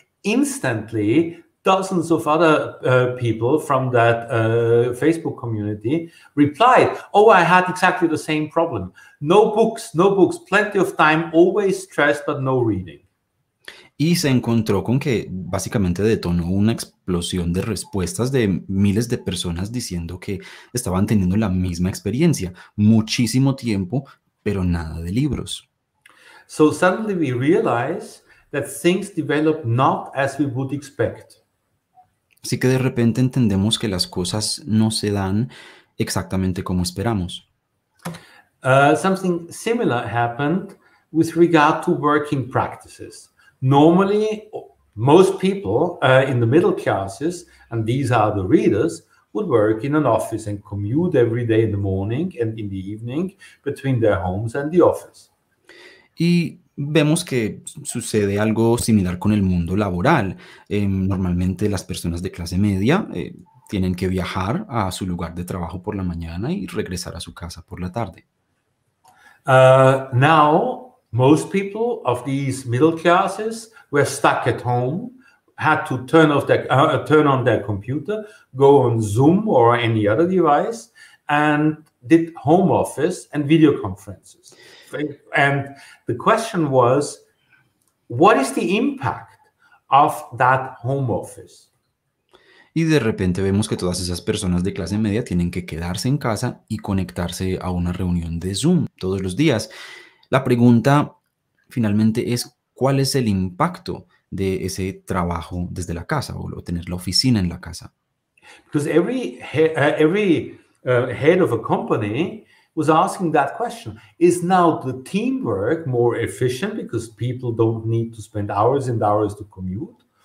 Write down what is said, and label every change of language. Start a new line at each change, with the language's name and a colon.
English: Instantly, dozens of other people from that Facebook community replied, oh, I had exactly the same problem. No books, no books, plenty of time, always stressed, but no reading.
Spanish: Y se encontró con que básicamente detonó una explosión de respuestas de miles de personas diciendo que estaban teniendo la misma experiencia. Muchísimo tiempo, pero nada de libros.
English: So suddenly we realize that things develop not as we would expect.
Spanish: Así que de repente entendemos que las cosas no se dan exactamente como esperamos.
English: Something similar happened with regard to working practices. Normally, most people in the middle classes, and these are the readers, would work in an office and commute every day in the morning and in the evening between their homes and the office.
Spanish: Y vemos que sucede algo similar con el mundo laboral. Normalmente las personas de clase media tienen que viajar a su lugar de trabajo por la mañana y regresar a su casa por la tarde.
English: Now, most people of these middle classes were stuck at home, had to turn on their computer, go on Zoom or any other device, and did home office and video conferences. And the question was, what is the impact of that home office?
Spanish: Y de repente vemos que todas esas personas de clase media tienen que quedarse en casa y conectarse a una reunión de Zoom todos los días. La pregunta finalmente es, ¿cuál es el impacto de ese trabajo desde la casa o tener la oficina en la casa?
English: Because every head of a company was asking that question. Is now the teamwork more efficient because people don't need to spend hours and hours to commute?